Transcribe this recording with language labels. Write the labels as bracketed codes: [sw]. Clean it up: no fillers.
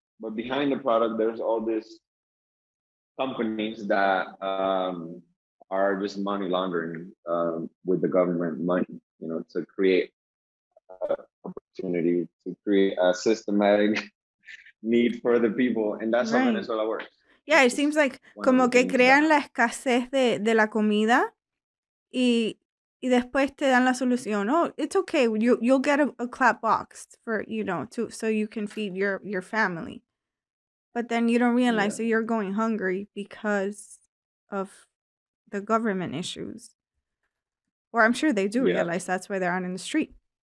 [en] But behind the product, there's all these companies that are just money laundering with the government money, you know, to create opportunity, to create a systematic need for the people. And that's right. How Venezuela works. Yeah, it seems like [es] como que crean la escasez de la comida y después te dan la solución. [en] Oh, it's okay. You'll get a clap box for, you know, to so you can feed your family. But then you don't realize that you're going hungry because of the government issues. Or I'm sure they do realize that's why they're out in the street.